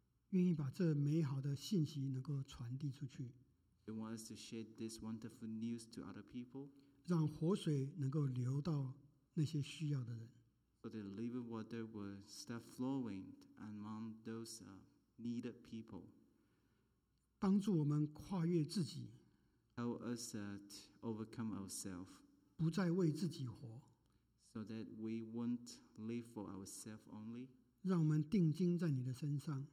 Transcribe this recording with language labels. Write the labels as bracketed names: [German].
[Chinese] 愿意把这美好的信息能够传递出去。 [English] You want us to share this wonderful news to other people. [Chinese] 让活水能够流到那些需要的人。 [English] So the living water will start flowing among those needed people. [Chinese] 帮助我们跨越自己。 [English] Help us to overcome ourselves. [Chinese] 不再为自己活。 [English] So that we won't live for ourselves only. [Chinese] 让我们定睛在你的身上。